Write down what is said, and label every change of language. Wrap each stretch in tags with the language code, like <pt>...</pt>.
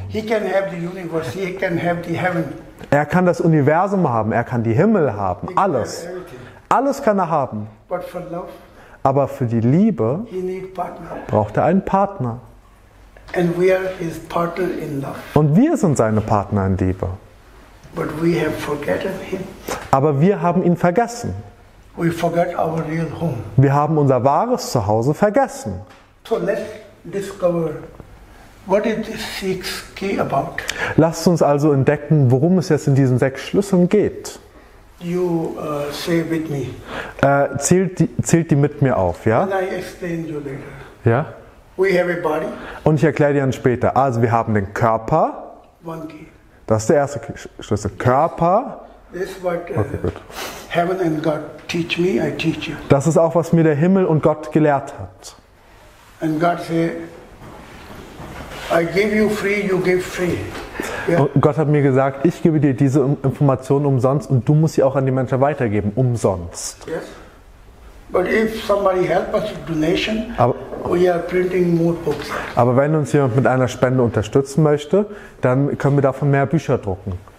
<en>He can have the universe, he can have the heaven.</en> <de>Er kann das Universum haben, er kann die Himmel haben, he alles. Alles kann er haben.</de> <en>But for love?</en> <de>Aber für die Liebe braucht er einen Partner.</de> <en>And we are his partner in love.</en> <de>Und wir sind seine Partner in Liebe.</de> <en>But we have forgotten him.</en> <de>Aber wir haben ihn vergessen.</de> <en>We forget our real home.</en> <de>Wir haben unser wahres Zuhause vergessen.</de> <en>So let's discover what is this six key about.</en> <de>Lasst uns also entdecken, worum es jetzt in diesen sechs Schlüsseln geht.</de> <en>You say with me.</en> <de>Zählt die mit mir auf, ja?</de> <en>And I explain you later.</en> <de>Ja?</de> <en>We have a body.</en> <de>Und ich erkläre dir dann später. Also wir haben den Körper.</de> <en>One key.</en> <de>Das ist der erste Schlüssel. Körper.</de> <en>This is what heaven and God teach me, I teach you.</en> <de>Das ist auch, was mir der Himmel und Gott gelehrt hat.</de> <en>And God say, I give you free, you give free. Yeah.</en> <de>Und Gott hat mir gesagt, ich gebe dir diese Informationen umsonst und du musst sie auch an die Menschen weitergeben, umsonst.</de> <en>Yes. But if somebody help us with donation, we are printing more books.</en> <de>Aber wenn uns jemand mit einer Spende unterstützen möchte, dann können wir davon mehr Bücher drucken.</de>